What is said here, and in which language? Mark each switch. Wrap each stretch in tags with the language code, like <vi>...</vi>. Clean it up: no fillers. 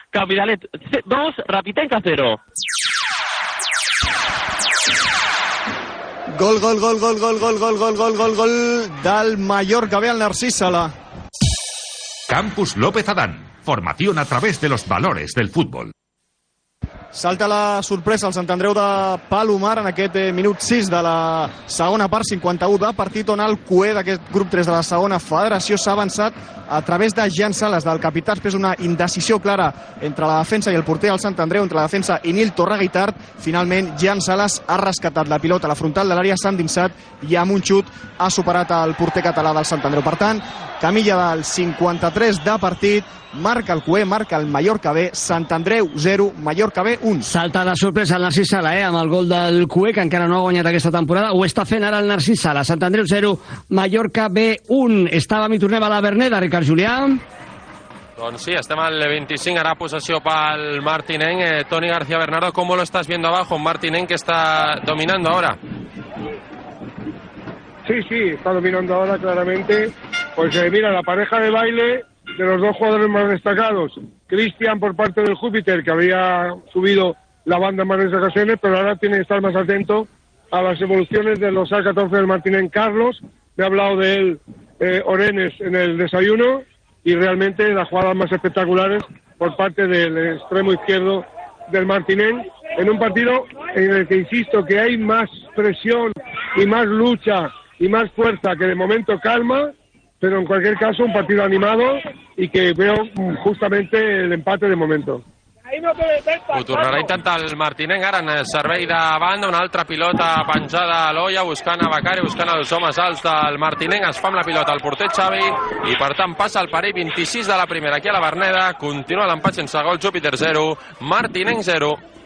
<ca>Camp Vidalet 2, Rapitenca 0. Gol, gol, gol, gol, gol, gol, gol, gol, gol, gol, gol del Mallorca. Ve al Narcís Sala.</ca> <es>Campus López Adán. Formación a través de los valores del fútbol.</es> <ca>Salta la sorpresa al Sant Andreu de Palomar en aquest minut 6 de la segona part, 51 de partit, on el QE d'aquest grup 3 de la segona federació s'ha avançat a través de Jan Sales, del capità, després una indecisió clara entre la defensa i el porter del Sant Andreu, entre la defensa i Nil Torraguitart. Finalment, Jan Sales ha rescatat la pilota a la frontal de l'àrea, s'ha endinsat i amb un xut ha superat el porter català del Sant Andreu. Per tant, camilla del 53 de partit, marca el QE, marca el Mallorca B, Sant Andreu 0, Mallorca B 1. Salta de sorpresa el Narcís Sala, amb el gol del QE, que encara no ha guanyat aquesta temporada. Ho està fent ara el Narcís Sala. Sant Andreu 0, Mallorca B 1. Estàvem i tornem a la Verneda, Ricard Julià. Doncs sí, estem al 25, ara possessió pel Martinenc.</ca> <es>Toni García Bernardo, ¿cómo lo estás viendo abajo? Martinenc, que está dominando ahora. Sí, sí, está dominando ahora claramente. Pues mira, la pareja de baile de los dos jugadores más destacados, Cristian por parte del Júpiter, que había subido la banda en varias ocasiones, pero ahora tiene que estar más atento a las evoluciones de los A14 del Martinen. Carlos, me ha hablado de él Orenes en el desayuno, y realmente las jugadas más espectaculares por parte del extremo izquierdo del Martinen, en un partido en el que insisto que hay más presión y más lucha y más fuerza que de momento calma, pero en cualquier caso un partido animado y que veo justamente el empate de momento.</es> <ca>Ho tornarà a intentar el Martinenc ara en servei de banda, una altra pilota penjada a l'olla, buscant a Becari, buscant els homes alts del Martinenc. Es fa amb la pilota el porter Xavi i per tant passa el parell 26 de la primera aquí a la Verneda, continua l'empat sense gol, Júpiter 0, Martinenc 0.</ca>